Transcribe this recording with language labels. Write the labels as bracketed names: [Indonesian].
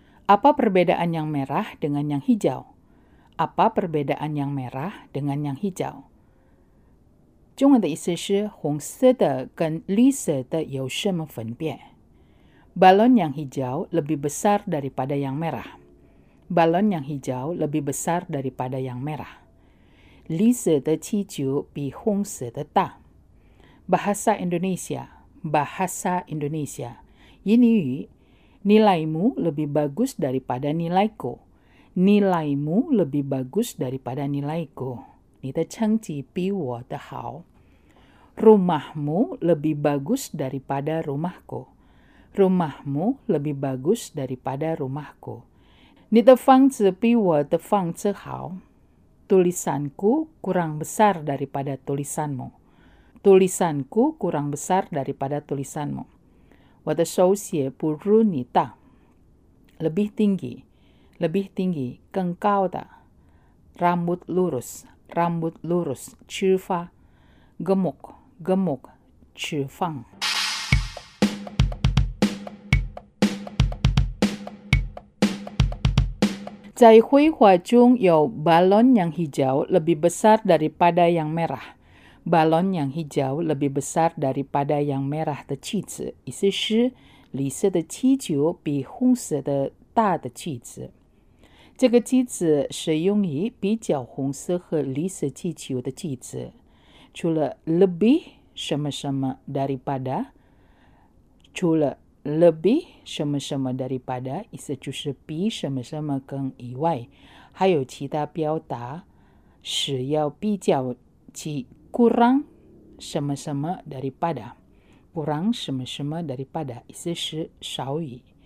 [Indonesian] Apa perbedaan yang merah dengan yang hijau? Apa perbedaan yang merah dengan yang hijau? [Chinese] 中文的意思是红色的跟绿色的有什么分别? [Indonesian] Balon yang hijau lebih besar daripada yang merah. Balon yang hijau lebih besar daripada yang merah. [Chinese] 绿色的气球比红色的大。 [Indonesian] Bahasa Indonesia, Bahasa Indonesia, 英语语 nilaimu lebih bagus daripada nilaiku. Nilaimu lebih bagus daripada nilaiku. [Chinese] 你的成绩比我的好。 Rumahmu lebih bagus daripada rumahku. [Indonesian] Rumahmu lebih bagus daripada rumahku. [Chinese] 你的房子比我的房子好。 [Indonesian] Tulisanku kurang besar daripada tulisanmu. Tulisanku kurang besar daripada tulisanmu. [Chinese] 我的手写不如你大。 [Indonesian] Lebih tinggi. Lebih tinggi. [Chinese] 更高的。 [Indonesian] Rambut lurus. Rambut lurus. [Chinese] 直发。 [Indonesian] Gemuk. Gemuk. [Chinese] 直方。在绘画中有 [Indonesian] balon yang hijau lebih besar daripada yang merah. Balon yang hijau lebih besar daripada yang merah [Chinese] 的句子，意思是绿色的气球比红色的大的句子。这个句子是用于比较红色和绿色气球的句子。除了 lebih 什么什么 daripada， 除了lebih 什么什么 daripada 意思就是比什么什么更以外，还有其他表达是要比较其 kurang 什么什么 daripada， kurang 什么什么 daripada 意思是少于。